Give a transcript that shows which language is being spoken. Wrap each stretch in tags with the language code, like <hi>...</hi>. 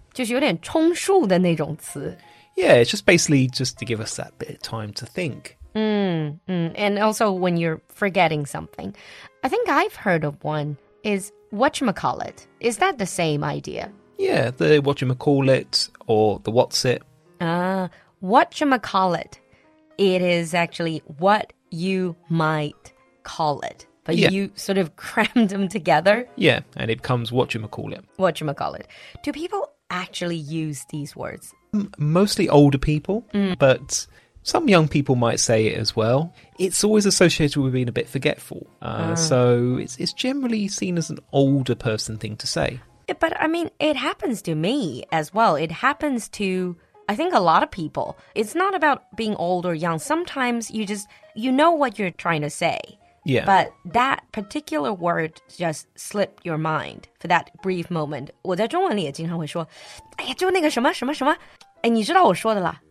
<zh>就是有点充数的那种词。</zh> <en>Yeah, it's just basically just to give us that bit of time to think. And also when you're forgetting something. I think I've heard of one, is whatchamacallit. Is that the same idea? Yeah, the whatchamacallit or the what's it. Whatchamacallit. It is actually what you might call it. But yeah. You sort of crammed them together. Yeah, and it becomes whatchamacallit. Whatchamacallit. Do people actually use these words? Mostly older people, but some young people might say it as well. It's always associated with being a bit forgetful. So it's generally seen as an older person thing to say. Yeah, but, I mean, it happens to me as well. It happens to, I think, a lot of people. It's not about being old or young. Sometimes you know what you're trying to say. Yeah. But that particular word just slipped your mind for that brief moment.</en> <zh>我在中文里也经常会说，哎呀，就那个什么什么什么，哎，你知道我说的啦。</zh>